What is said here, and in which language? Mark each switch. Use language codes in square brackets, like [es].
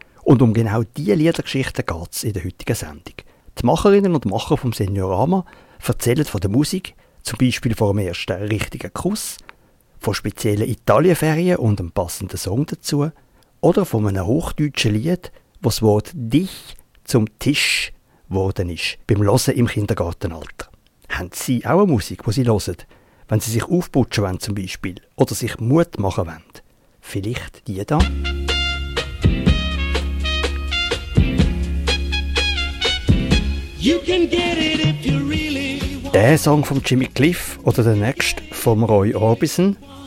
[de] Und um genau diese Liedergeschichten geht es in der heutigen Sendung. Die Macherinnen und Macher vom Seniorama erzählen von der Musik, zum Beispiel vom ersten richtigen Kuss, von speziellen Italienferien und einem passenden Song dazu oder von einem hochdeutschen Lied, wo das Wort «dich» zum «Tisch» geworden ist beim Hören im Kindergartenalter. Haben Sie auch eine Musik, die Sie hören, wenn Sie sich aufputschen wollen zum Beispiel oder sich Mut machen wollen? Vielleicht die da? [en] You can get it if you really want. [de] Der Song von Jimmy Cliff oder der nächste von Roy Orbison.